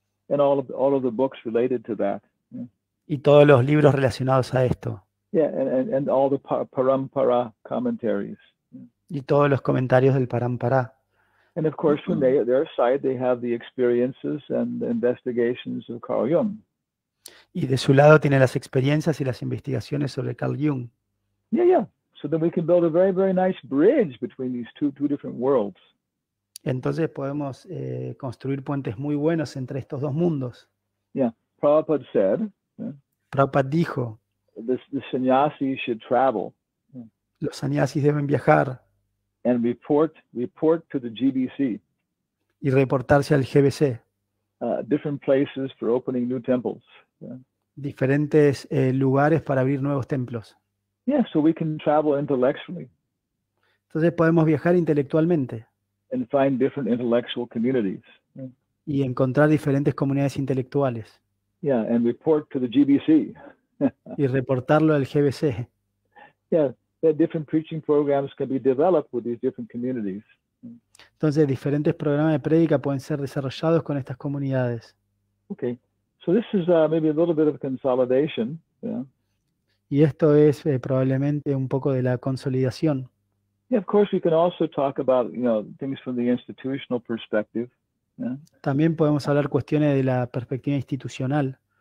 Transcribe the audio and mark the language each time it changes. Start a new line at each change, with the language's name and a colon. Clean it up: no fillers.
English: And all of the books related to that.
Spanish: Y todos los libros relacionados a esto.
English: Yeah, and all the parampara commentaries.
Spanish: Y todos los comentarios del parampara.
English: And of course, from their side, they have the experiences and the investigations of Carl Jung.
Spanish: Y de su lado tiene las experiencias y las investigaciones sobre Carl Jung.
English: Yeah, yeah. So then we can build a very, very nice bridge between these two different worlds.
Spanish: Entonces podemos construir puentes muy buenos entre estos dos mundos.
English: Yeah, Prabhupada said.
Spanish: Prabhupada dijo.
English: The sannyasi should travel.
Spanish: Los sannyasis deben viajar.
English: And report to the GBC.
Spanish: Y reportarse al GBC.
English: Different places for opening new temples.
Spanish: Diferentes lugares para abrir nuevos templos.
English: Yeah, so we can travel intellectually.
Spanish: Entonces podemos viajar intelectualmente.
English: And find different intellectual communities.
Spanish: Y encontrar diferentes comunidades intelectuales.
English: Yeah, and report to the GBC.
Spanish: Y reportarlo al GBC.
English: Yeah. That different preaching programs can be developed with these different communities.
Spanish: Entonces, diferentes programas de prédica pueden ser desarrollados con estas comunidades.
English: Okay, so this is maybe a little bit of consolidation.
Spanish: Y esto es probablemente un poco de la consolidación.
English: Yeah, of course, we can also talk about things from the institutional perspective.
Spanish: También podemos hablar cuestiones de la perspectiva institucional.